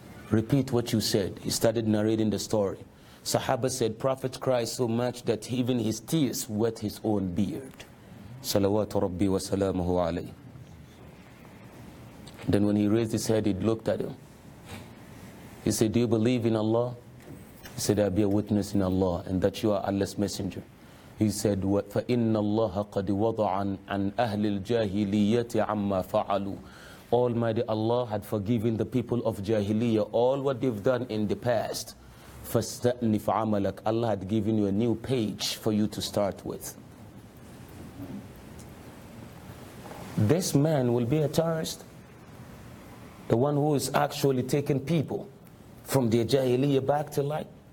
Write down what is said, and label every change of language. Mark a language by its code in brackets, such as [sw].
[en] Repeat what you said. He started narrating the story. Sahaba said, "Prophet cried so much that even his tears wet his own beard." Salawat Rabbi wa salamuhu alayhi. Then when he raised his head, he looked at him. He said, "Do you believe in Allah?" He said, "I'll be a witness in Allah and that you are Allah's messenger." [ar] He said, فَإِنَّ اللَّهَ قَدْ وَضَعًا عَنْ أَهْلِ الْجَاهِلِيَّةِ عَمَّا فَعَلُوا. [en] Almighty Allah had forgiven the people of Jahiliyyah all what they've done in the past. [ar] فَاسْتَأْنِفْ عَمَلَكَ. [en] Allah had given you a new page for you to start with. This man will be a terrorist. The one who is actually taking people from their Jahiliyyah back to life.